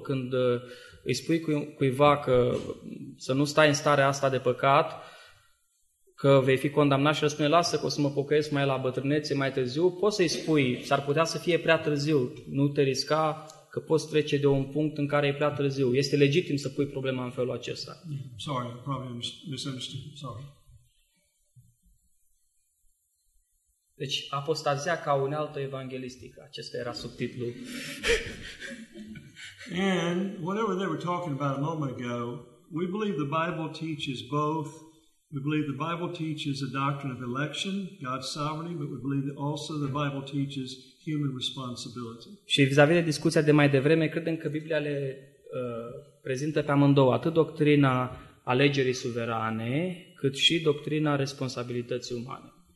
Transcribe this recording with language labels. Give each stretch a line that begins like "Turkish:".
Romanian: Când îi spui cuiva că să nu stai în starea asta de păcat, că vei fi condamnat și îl spune, lasă că o să mă pocăiesc mai la bătrânețe mai târziu, poți să-i spui, s-ar putea să fie prea târziu, nu te risca că poți trece de un punct în care e prea târziu. Este legitim să pui problema în felul acesta.
English: Sorry, probably misunderstood. Sorry.
Romanian: Deci, apostazia ca unealtă evanghelistică. Acesta era subtitlul.
English: And whatever they were talking about a moment ago, we believe the Bible teaches both. We believe the Bible teaches a doctrine of election, God's sovereignty, but we believe that also the Bible teaches human responsibility.
Romanian: Și vis-a-vis de discuția de mai devreme, credem că Biblia le prezintă pe amândouă, atât doctrina alegerii suverane, cât și doctrina responsabilității umane.